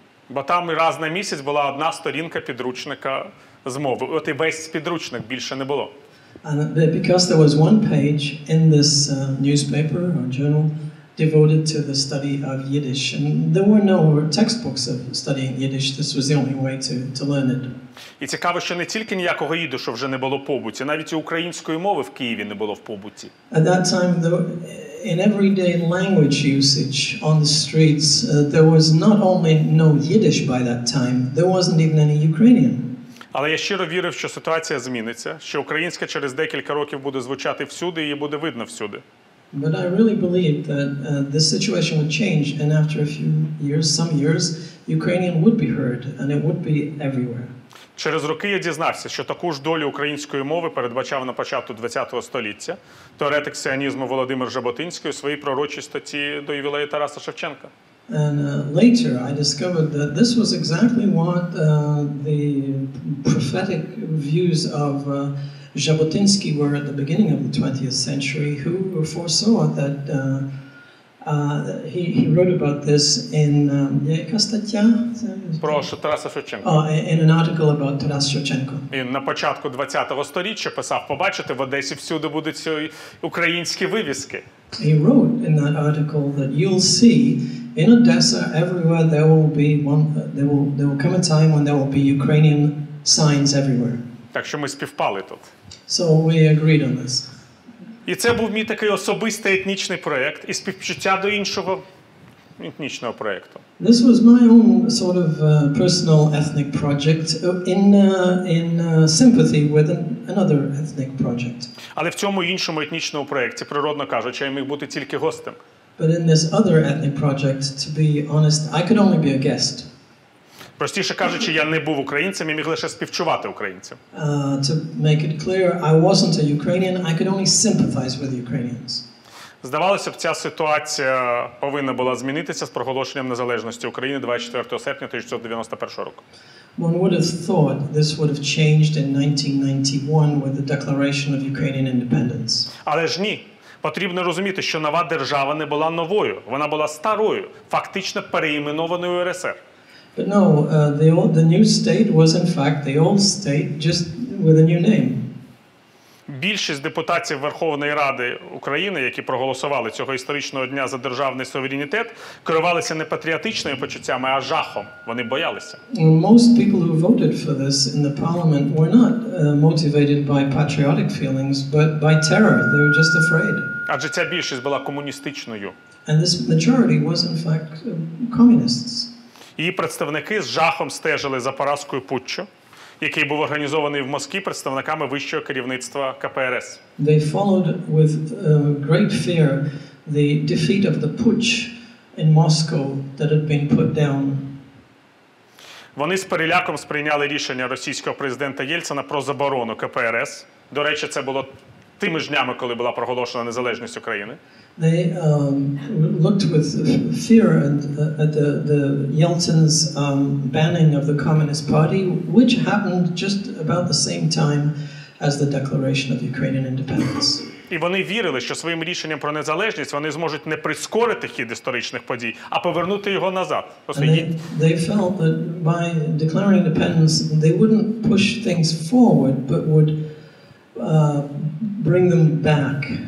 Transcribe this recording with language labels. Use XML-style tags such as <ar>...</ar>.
<uk>Бо там раз на місяць була одна сторінка підручника з мови. От і весь підручник більше не було.</uk> <en>And because there was one page in this newspaper or journal devoted to the study of Yiddish, and there were no textbooks of studying Yiddish, this was the only way to learn it.</en> <uk>І цікаво, що не тільки ніякого ідишу вже не було в побуті, навіть і української мови в Києві не було в побуті.</uk> <en>At that time, in everyday language usage on the streets, there was not only no Yiddish by that time, there wasn't even any Ukrainian.</en> <uk>Але я щиро вірив, що ситуація зміниться, що українська через декілька років буде звучати всюди і її буде видно всюди.</uk> <en>But I really believed that this situation would change, and after a few years, some years, Ukrainian would be heard, and it would be everywhere.</en> <uk>Через роки я дізнався, що таку ж долю української мови передбачав на початку ХХ століття теоретик сіонізму Володимир Жаботинський у своїй пророчій статті до ювілею Тараса Шевченка.</uk> <en>And later I discovered that this was exactly what the prophetic views of Jabotinsky were at the beginning of the 20th century, who foresaw that he wrote about this in in an article about Taras Shevchenko.</en> <uk>Він на початку 20-го століття писав: "Побачите, в Одесі всюди будуть ці українські вивіски".</uk> <en>He wrote in that article that you'll see in Odessa everywhere there will be one there will come a time when there will be Ukrainian signs everywhere.</en> <uk>Так що ми співпали тут.</uk> <en>So we agreed on this.</en> <uk>І це був мій такий особистий етнічний проєкт і співчуття до іншого етнічного проєкту.</uk> <en>This was my own sort of personal ethnic project in sympathy with another ethnic project.</en> <uk>Але в цьому іншому етнічному проєкті, природно кажучи, я міг бути тільки гостем.</uk> <en>But in this other ethnic project, to be honest, I could only be a guest.</en> <uk>Простіше кажучи, я не був українцем, я міг лише співчувати українцям.</uk> <en>To make it clear, I wasn't a Ukrainian, I could only sympathize with Ukrainians.</en> <uk>Здавалося б, ця ситуація повинна була змінитися з проголошенням незалежності України 24 серпня 1991 року.</uk> <en>One would have thought this would have changed in 1991 with the declaration of Ukrainian independence.</en> <uk>Але ж ні. Потрібно розуміти, що нова держава не була новою, вона була старою, фактично переіменованою РСР.</uk> <en>But no, the new state was in fact the old state, just with a new name.</en> <uk>Більшість депутатів Верховної Ради України, які проголосували цього історичного дня за державний суверенітет, керувалися не патріотичними почуттями, а жахом. Вони боялися.</uk> <en>Most people who voted for this in the parliament were not motivated by patriotic feelings, but by terror. They were just afraid.</en> <uk>Адже ця більшість була комуністичною.</uk> <en>And this majority was in fact communists.</en> <uk>Її представники з жахом стежили за поразкою путчу, який був організований в Москві представниками вищого керівництва КПРС.</uk> <en>They followed with great fear the defeat of the putsch in Moscow that had been put down.</en> <uk>Вони з переляком сприйняли рішення російського президента Єльцина про заборону КПРС. До речі, це було тими ж днями, коли була проголошена незалежність України.</uk> <en>They looked with fear at the Yeltsin's banning of the Communist Party, which happened just about the same time as the declaration of Ukrainian independence.</en> <uk>І вони вірили, що своїм рішенням про незалежність вони зможуть не прискорити хід історичних подій, а повернути його назад.</uk> <en>They felt that by declaring independence, they wouldn't push things forward, but would bring them back.</en>